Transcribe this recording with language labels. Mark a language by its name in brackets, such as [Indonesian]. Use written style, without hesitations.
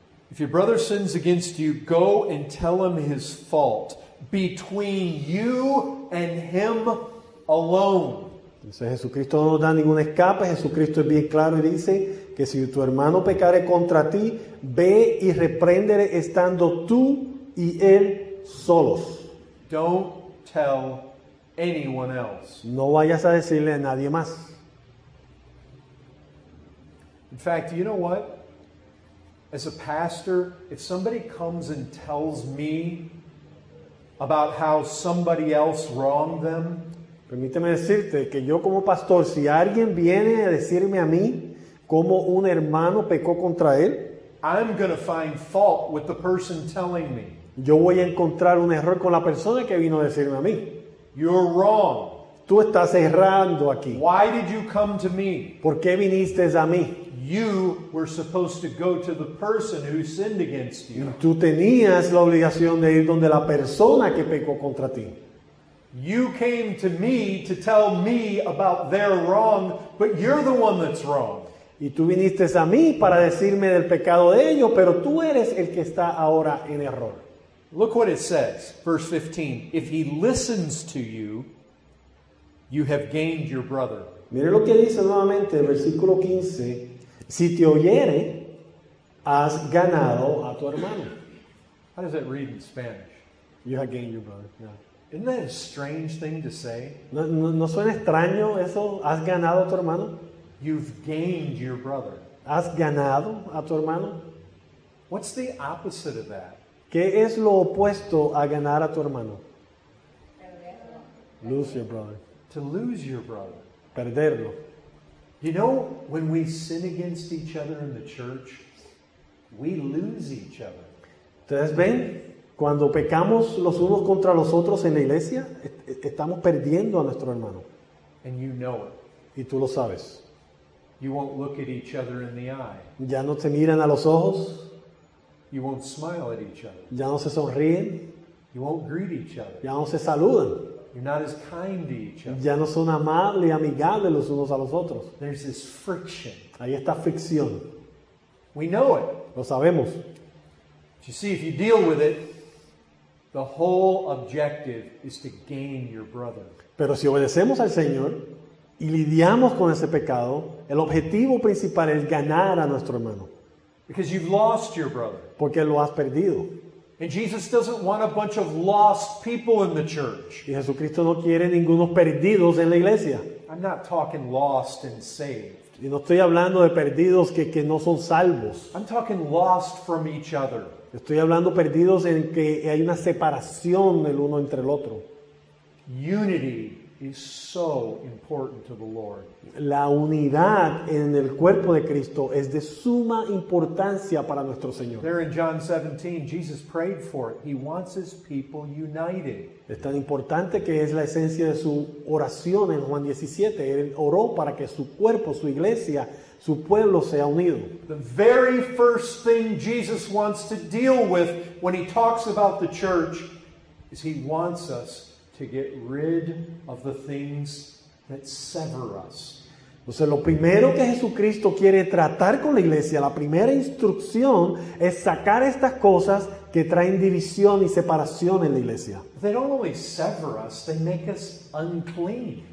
[English] If your brother sins against you, go and tell him his fault between you and him alone. [Spanish] Entonces Jesucristo no nos da ningún escape. Jesucristo es bien claro y dice que si tu hermano pecare contra ti, ve y repréndele estando tú y él solos. [English] Don't tell anyone else. [Spanish] No vayas a decirle a nadie más. [English] In fact, you know what? As a pastor, if somebody comes and tells me about how somebody else wronged them, [Spanish] permíteme decirte que yo como pastor, si alguien viene a decirme a mí cómo un hermano pecó contra él, [English] I'm going to find fault with the person telling me. [Spanish] Yo voy a encontrar un error con la persona que vino a decirme a mí. [English] You're wrong. [Spanish] Tú estás errando aquí. [English] Why did you come to me? [Spanish] ¿Por qué viniste a mí? [English] You were supposed to go to the person who sinned against you. [Spanish] Tú tenías la obligación de ir donde la persona que pecó contra ti. [English] You came to me to tell me about their wrong, but you're the one that's wrong. [Spanish] Y tú viniste a mí para decirme del pecado de ellos, pero tú eres el que está ahora en error. [English] Look what it says, verse 15. If he listens to you, you have gained your brother. [Spanish] Mire lo que dice nuevamente, versículo 15. Si te oyere, has ganado a tu hermano. [English] How does that read in Spanish? You have gained your brother. Yeah. Isn't that a strange thing to say? [Spanish] ¿No suena extraño eso? ¿Has ganado a tu hermano? [English] You've gained your brother. [Spanish] ¿Has ganado a tu hermano? [English] What's the opposite of that? [Spanish] ¿Qué es lo opuesto a ganar a tu hermano? [English] Lose your brother. To lose your brother. [Spanish] Perderlo. [English] You know, when we sin against each other in the church, we lose each other. [Spanish] ¿Ustedes ven? Cuando pecamos los unos contra los otros en la iglesia, estamos perdiendo a nuestro hermano. [English] And you know it. [Spanish] Y tú lo sabes. [English] You won't look at each other in the eye. [Spanish] Ya no te miran a los ojos. [English] You won't smile at each other. [Spanish] Ya no se sonríen. [English] You won't greet each other. [Spanish] Ya no se saludan. [English] You're not as kind to each other. [Spanish] Ya no son amables y amigables los unos a los otros. [English] There's this friction. [Spanish] Ahí está fricción. [English] We know it. [Spanish] Lo sabemos. [English] You see, if you deal with it, the whole objective is to gain your brother. [Spanish] Pero si obedecemos al Señor y lidiamos con ese pecado, el objetivo principal es ganar a nuestro hermano. [English] Because you've lost your brother. [Spanish] Porque lo has perdido. [English] And Jesus doesn't want a bunch of lost people in the church. [Spanish] Y Jesucristo no quiere ningunos perdidos en la iglesia. [English] I'm not talking lost and saved. [Spanish] Y no estoy hablando de perdidos que no son salvos. [English] I'm talking lost from each other. [Spanish] Estoy hablando perdidos en que hay una separación el uno entre el otro. [English] Unity is so important to the Lord. [Spanish] La unidad en el cuerpo de Cristo es de suma importancia para nuestro Señor. [English] There in John 17, Jesus prayed for it. He wants his people united. [Spanish] Es tan importante que es la esencia de su oración en Juan 17. Él oró para que su cuerpo, su iglesia, su pueblo sea unido. [English] The very first thing Jesus wants to deal with when he talks about the church is he wants us to get rid of the things that sever us. [Spanish] O sea, lo primero que Jesucristo quiere tratar con la iglesia, la primera instrucción es sacar estas cosas que traen división y separación en la iglesia. [English] They don't only sever us, they make us unclean.